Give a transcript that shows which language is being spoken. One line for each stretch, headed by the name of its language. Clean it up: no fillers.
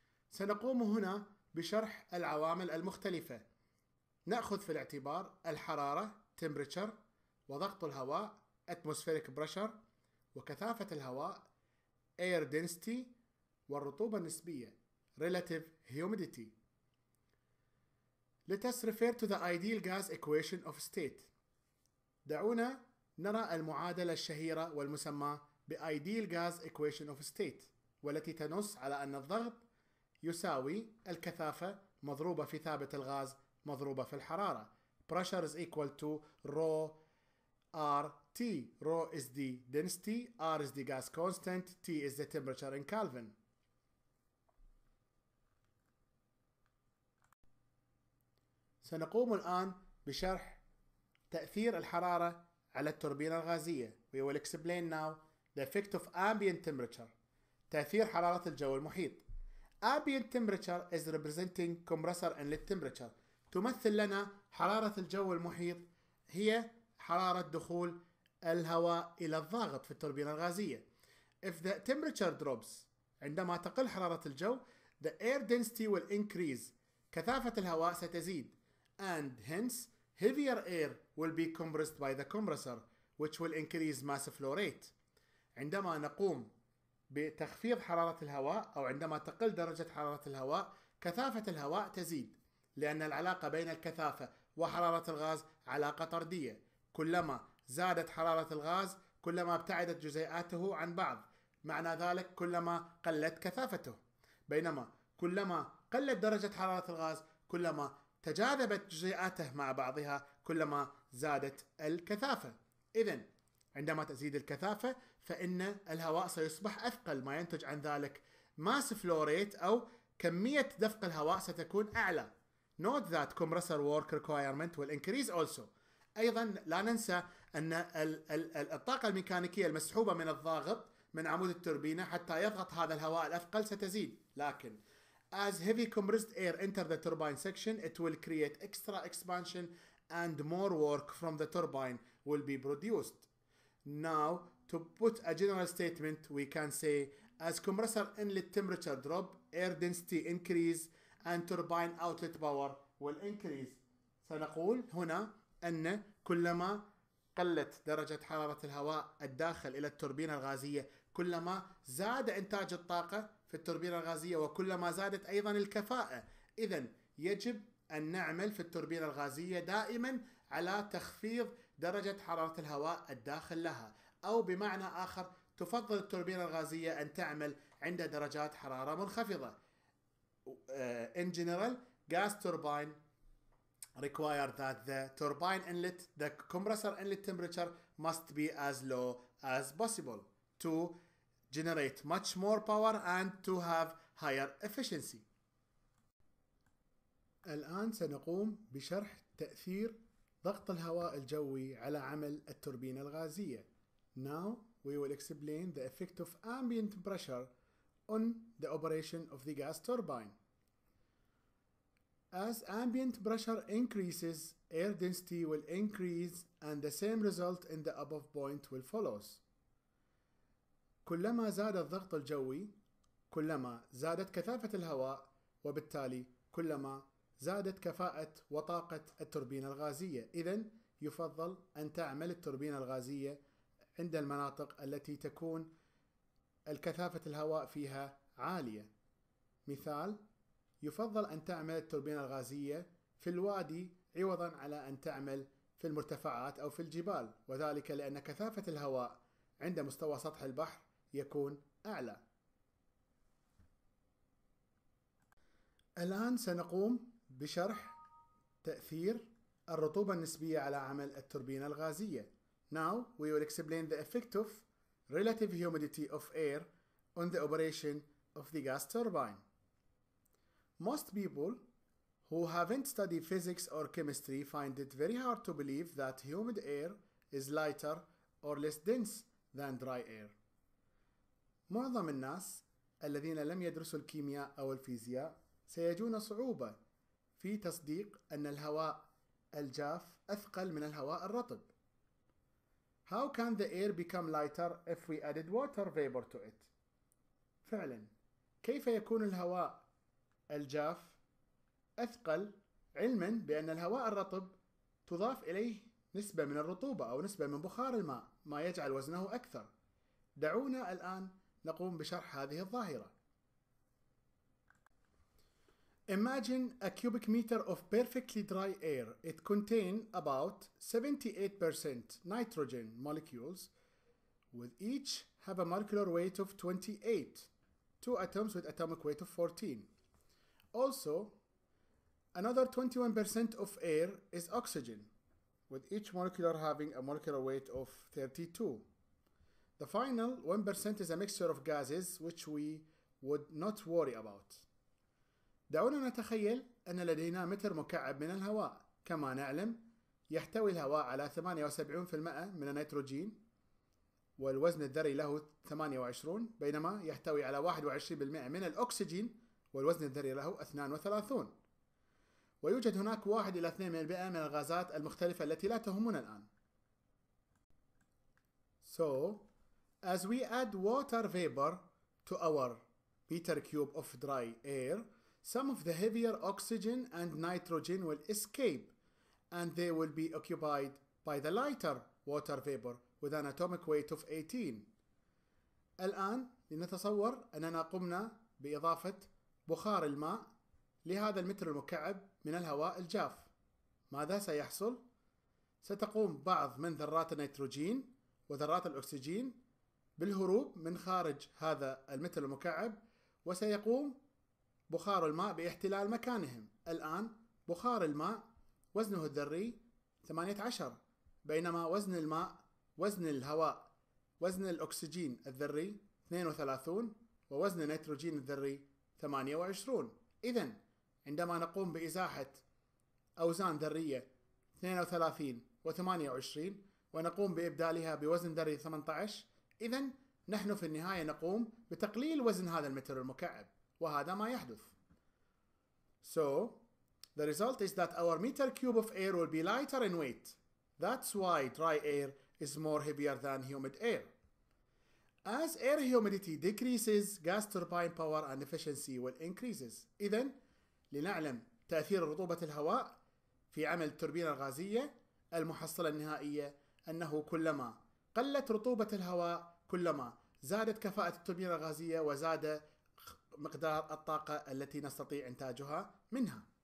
Arabic: سنقوم هنا بشرح العوامل المختلفة. نأخذ في الاعتبار الحرارة temperature وضغط الهواء
English: atmospheric pressure
Arabic: وكثافة الهواء
English: air density
Arabic: والرطوبة النسبية
English: relative humidity. Let us refer to the ideal gas equation of state.
Arabic: دعونا نرى المعادلة الشهيرة والمسمى بـ
English: ideal gas equation of state
Arabic: والتي تنص على أن الضغط يساوي الكثافة مضروبة في ثابت الغاز مضروبة في الحرارة.
English: Pressure is equal to rho RT. Rho is the density, R is the gas constant, T is the temperature in Kelvin.
Arabic: سنقوم الآن بشرح تأثير الحرارة على التوربينة الغازية.
English: We will explain now the effect of ambient temperature.
Arabic: تأثير حرارة الجو المحيط.
English: Ambient temperature is representing compressor inlet temperature.
Arabic: تمثل لنا حرارة الجو المحيط هي حرارة دخول الهواء إلى الضاغط في التوربينة الغازية.
English: If the temperature drops,
Arabic: عندما تقل حرارة الجو,
English: the air density will increase.
Arabic: كثافة الهواء ستزيد.
English: And hence, heavier air will be compressed by the compressor, which will increase mass flow rate.
Arabic: عندما نقوم بتخفيض حرارة الهواء أو عندما تقل درجة حرارة الهواء, كثافة الهواء تزيد. لأن العلاقة بين الكثافة وحرارة الغاز علاقة طردية. كلما زادت حرارة الغاز كلما ابتعدت جزيئاته عن بعض. معنى ذلك كلما قلت كثافته. بينما كلما قلت درجة حرارة الغاز كلما تجاذبت جزيئاته مع بعضها كلما زادت الكثافة. إذن عندما تزيد الكثافة فإن الهواء سيصبح أثقل, ما ينتج عن ذلك
English: mass flow rate
Arabic: أو كمية دفق الهواء ستكون أعلى.
English: Note that compressor work requirement will increase also.
Arabic: أيضا لا ننسى أن الطاقة الميكانيكية المسحوبة من الضاغط من عمود التوربينة حتى يضغط هذا الهواء الأثقل ستزيد. لكن
English: as heavy compressed air enter the turbine section, it will create extra expansion and more work from the turbine will be produced. Now to put a general statement, we can say as compressor inlet temperature drop, air density increase and turbine outlet power will increase.
Arabic: سنقول هنا أن كلما قلت درجة حرارة الهواء الداخل إلى التوربينة الغازية كلما زاد إنتاج الطاقة في التوربينة الغازية وكلما زادت أيضا الكفاءة. إذن يجب أن نعمل في التوربينة الغازية دائما على تخفيض درجة حرارة الهواء الداخل لها, أو بمعنى آخر تفضل التوربينة الغازية أن تعمل عند درجات حرارة منخفضة.
English: In general, gas turbine require that the turbine inlet, the compressor inlet temperature must be as low as possible to generate much more power and to have higher efficiency.
Arabic: الآن سنقوم بشرح تأثير ضغط الهواء الجوي على عمل التوربينة الغازية.
English: Now we will explain the effect of ambient pressure on the operation of the gas turbine. As ambient pressure increases, air density will increase and the same result in the above point will follows.
Arabic: كلما زاد الضغط الجوي كلما زادت كثافة الهواء وبالتالي كلما زادت كفاءة وطاقة التوربينة الغازية. إذن يفضل أن تعمل التوربينة الغازية عند المناطق التي تكون الكثافة الهواء فيها عالية. مثال, يفضل أن تعمل التوربينة الغازية في الوادي عوضا على أن تعمل في المرتفعات أو في الجبال, وذلك لأن كثافة الهواء عند مستوى سطح البحر يكون أعلى. الآن سنقوم بشرح تأثير الرطوبة النسبية على عمل التوربينة الغازية.
English: Now we will explain the effect of relative humidity of air on the operation of the gas turbine. Most people who haven't studied physics or chemistry find it very hard to believe that humid air is lighter or less dense than dry air.
Arabic: معظم الناس الذين لم يدرسوا الكيمياء أو الفيزياء سيجون صعوبة في تصديق أن الهواء الجاف أثقل من الهواء الرطب.
English: How can the air become lighter if we added water vapor to it?
Arabic: فعلا كيف يكون الهواء الجاف أثقل علما بأن الهواء الرطب تضاف إليه نسبة من الرطوبة أو نسبة من بخار الماء ما يجعل وزنه أكثر. دعونا الآن نقوم بشرح هذه الظاهرة.
English: Imagine a cubic meter of perfectly dry air. It contains about 78% nitrogen molecules, with each have a molecular weight of 28, two atoms with atomic weight of 14. Also, another 21% of air is oxygen, with each molecular having a molecular weight of 32. The final 1% is a mixture of gases, which we would not worry about.
Arabic: دعونا نتخيل أن لدينا متر مكعب من الهواء. كما نعلم يحتوي الهواء على 78% من النيتروجين والوزن الذري له 28، بينما يحتوي على 21% من الأكسجين والوزن الذري له 32، ويوجد هناك 1 إلى 2% من الغازات المختلفة التي لا تهمنا الآن.
English: So as we add water vapor to our meter cube of dry air, some of the heavier oxygen and nitrogen will escape and they will be occupied by the lighter water vapor with an atomic weight of 18.
Arabic: الآن لنتصور أننا قمنا بإضافة بخار الماء لهذا المتر المكعب من الهواء الجاف. ماذا سيحصل؟ ستقوم بعض من ذرات النيتروجين وذرات الأكسجين بالهروب من خارج هذا المتر المكعب وسيقوم بخار الماء باحتلال مكانهم. الآن بخار الماء وزنه الذري 18، بينما وزن الماء وزن الهواء وزن الأكسجين الذري 32 ووزن النيتروجين الذري 28. إذن عندما نقوم بإزاحة أوزان ذرية 32 و28 ونقوم بإبدالها بوزن ذري 18، إذن نحن في النهاية نقوم بتقليل وزن هذا المتر المكعب، وهذا ما يحدث.
English: So the result is that our meter cube of air will be lighter in weight. That's why dry air is more heavier than humid air. As air humidity decreases, gas turbine power and efficiency will increases.
Arabic: إذن لنعلم تأثير رطوبة الهواء في عمل التوربينة الغازية، المحصلة النهائية أنه كلما قلت رطوبة الهواء كلما زادت كفاءة التوربينة الغازية وزاد مقدار الطاقة التي نستطيع إنتاجها منها.